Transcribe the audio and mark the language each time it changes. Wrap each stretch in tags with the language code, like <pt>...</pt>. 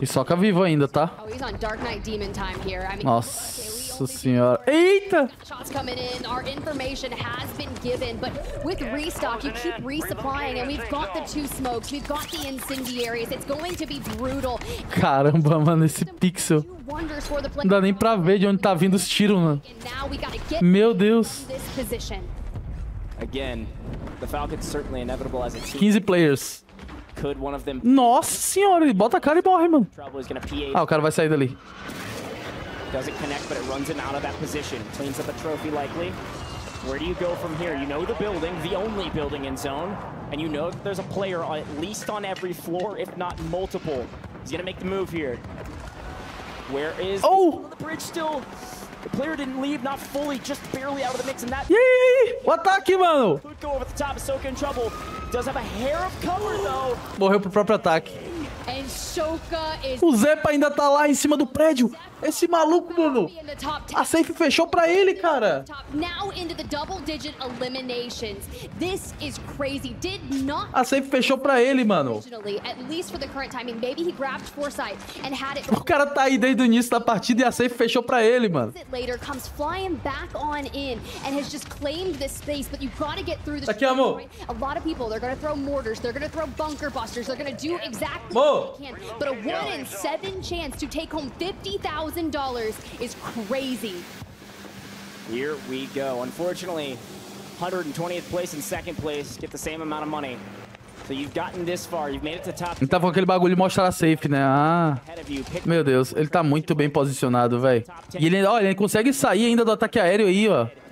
<pt>Hisoka vivo ainda, tá?</pt> <en>Oh, he's on Dark Knight Demon time here. I mean,</en> <pt>nossa senhora. Eita!</pt> <en>Shots coming in, our information has been given, but with restock, you keep resupplying, and we've got the two smokes, we've got the incendiaries, it's going to be brutal.</en> <pt>Caramba, mano, esse pixel. Não dá nem pra ver de onde tá vindo os tiros, mano. Meu Deus.</pt> <en>Again, the Falcons certainly inevitable as a team. 15 players. Could one of them...</en> <pt>Nossa senhora, ele bota a cara e morre, mano. Ah, o cara vai sair dali.</pt> <en>Doesn't connect, but it runs him out of that position. Cleans up a trophy likely. Where do you go from here? You know the building, the only building in zone. And you know that there's a player on, at least on every floor, if not multiple. He's gonna make the move here. Where is... Oh! The bridge still... The player didn't leave, not fully, just barely out of the mix, and that...</en> <pt>Yee! O ataque, mano!</pt> <en>Could go over the top, Soka in trouble. Does have a hair of cover, though.</en> <pt>Morreu pro próprio ataque.</pt> <en>And Soka is...</en> <pt>O Zeppa ainda tá lá em cima do prédio. Esse maluco, mano. A safe fechou pra ele, cara.</pt> <en>Now into the double-digit eliminations. This is crazy. Did not...</en> <pt>A safe fechou pra ele, mano.</pt> <en>At least for the current timing. Maybe he grabbed foresight and had it...</en> <pt>O cara tá aí desde o início da partida e a safe fechou pra ele, mano.</pt> <en>...later comes flying back on in and has just claimed this space, but you've got to get through this...</en> <pt>Aqui, amor.</pt> <en>A lot of people, they're going to throw mortars, they're going to throw bunker busters, they're going to do exactly what they can. But a 1 in 7 chance to take home $50,000 is crazy. Here we go. Unfortunately, 120th place and 2nd place get the same amount of money. So you've gotten this far. You've made it to top.</en> <pt>Ele tá com aquele bagulho de mostrar a safe, né? Ah. Meu Deus, ele tá muito bem posicionado, velho. E ele, olha, ele consegue sair ainda do ataque aéreo aí, ó.</pt>